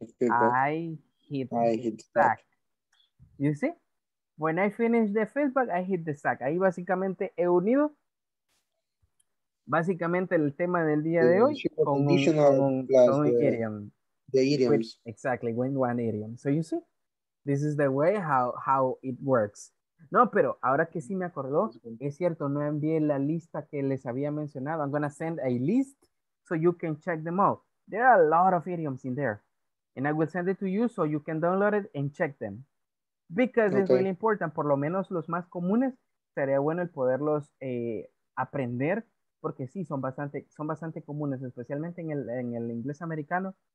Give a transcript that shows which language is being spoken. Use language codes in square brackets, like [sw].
[en] I hit the sack. You see? When I finish the feedback, I hit the sack. [es] Ahí básicamente he unido básicamente el tema del día de hoy con un idiom. [en] Exactly, with one idiom. So you see? This is the way how it works. [es] No, pero ahora que sí me acordó, es cierto, no envié la lista que les había mencionado. [en] I'm going to send a list so you can check them out. There are a lot of idioms in there. And I will send it to you so you can download it and check them. Because it's really important, [es] por lo menos los más comunes, sería bueno el poderlos aprender, porque sí, son bastante comunes, especialmente en el inglés americano.